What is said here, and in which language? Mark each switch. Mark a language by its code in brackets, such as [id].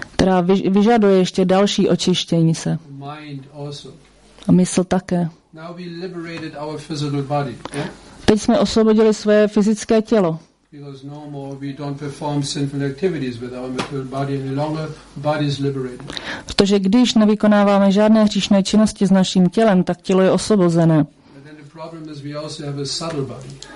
[cs] Která vyžaduje ještě další očištění se. [en] Mind also. [cs] A mysl také. [en] Now we liberated our physical body, yeah? [cs] Teď jsme osvobodili své fyzické tělo. [en] Because no more we don't perform sinful activities with our material body any longer, body is liberated. [cs] Protože když nevykonáváme žádné hříšné činnosti s naším tělem, tak tělo je osvobozené. [en] But then the problem is we also have a subtle body.